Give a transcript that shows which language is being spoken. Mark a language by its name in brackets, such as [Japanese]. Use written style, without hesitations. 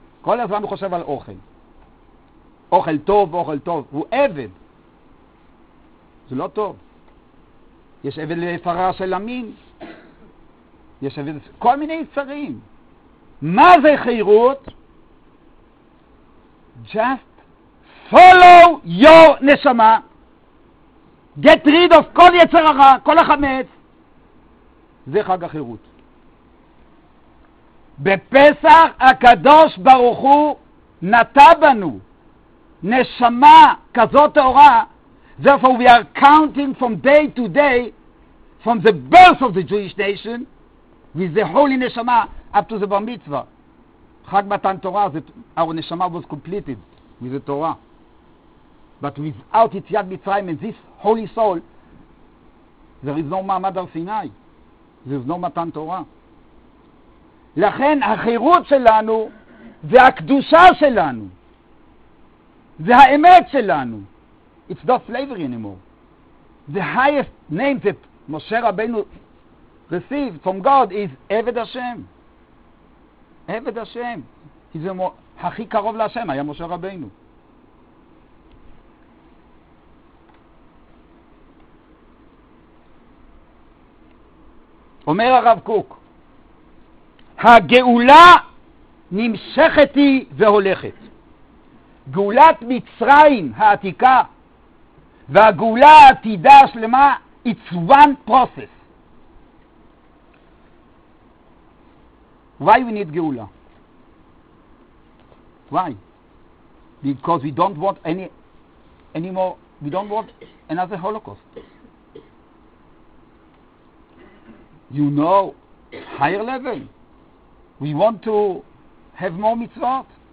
[Hebrew] כל הזמן הוא חושב על אוכל. אוכל טוב, אוכל טוב. הוא עבד. זה לא טוב. יש עבד לפרה של אמין. יש עבד... כל מיני יצרים. מה זה חירות? [English] Just follow your נשמה. Get rid of [Hebrew] כל יצר הרע, כל החמץ. זה חג החירות. בפסח הקדוש ברוך הוא נטע בנו נשמה כזאת תורה. [English] Therefore we are counting from day to day, from the birth of the Jewish nation, with the holy neshama up to the bar mitzvah. [Hebrew] חג מתן תורה, [English] our neshama was completed with the Torah. But without יציאת מצרים and this holy soul, there is no מעמד הר סיני. There is no מתן תורה. [Hebrew] לכן החירות שלנו זה הקדושה שלנו. זה האמת שלנו. [English] It's not slavery anymore. The highest name that משה רבנו received from God is עבד השם. [Hebrew] עבד השם. כי זה הכי קרוב להשם היה משה רבנו. אומר הרב קוק, הגאולה נמשכת היא והולכת. גאולת מצרים העתיקה והגאולה העתידה השלמה, [English] it's one process. Why we need גאולה? Why? Because we don't want anymore, we don't want another Holocaust. You know, higher level. We want to have more mitzvot.